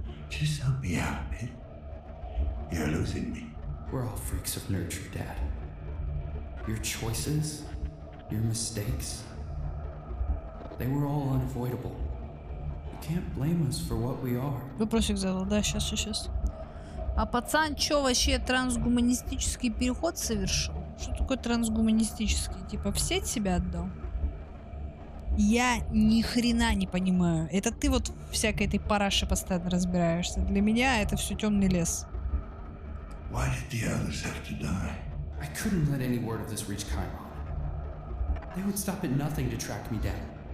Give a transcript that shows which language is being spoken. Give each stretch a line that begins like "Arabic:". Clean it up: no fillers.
English: Just help me out a bit. You're losing me. We're all freaks of nurture, Dad. Your choices, your mistakes, they were all unavoidable. You can't blame us for what we are.
Russian: Вопросик задал, да, сейчас. А пацан чё вообще трансгуманистический переход совершил? Что такое трансгуманистический? Типа в сеть себя отдал? Я ни хрена не понимаю. Это ты вот всякой этой параши постоянно разбираешься. Для меня это всё тёмный лес.
English: Why did the others have to die? I couldn't let any word of this reach Kaimon. They would stop at nothing to track me down.